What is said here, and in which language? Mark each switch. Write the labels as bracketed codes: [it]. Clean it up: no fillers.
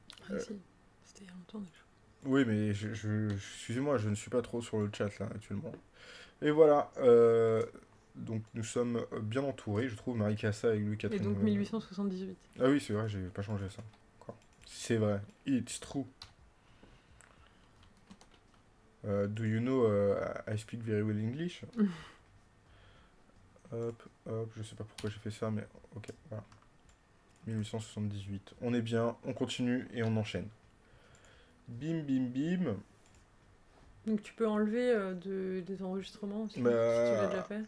[fr] Ah si, c'était il y a longtemps déjà. Oui, mais excusez-moi, je ne suis pas trop sur le chat là actuellement. Et voilà. Donc nous sommes bien entourés, je trouve, Marie-Cassa avec Et Louis-Catherine. donc 1878. Ah oui, c'est vrai, j'ai pas changé ça. C'est vrai. [en] It's true. Do you know I speak very well English? [fr] Hop, hop, je sais pas pourquoi j'ai fait ça, mais ok, voilà. 1878. On est bien, on continue et on enchaîne. Bim, bim, bim. Donc tu peux enlever des enregistrements aussi, si tu l'as déjà Bah, fait.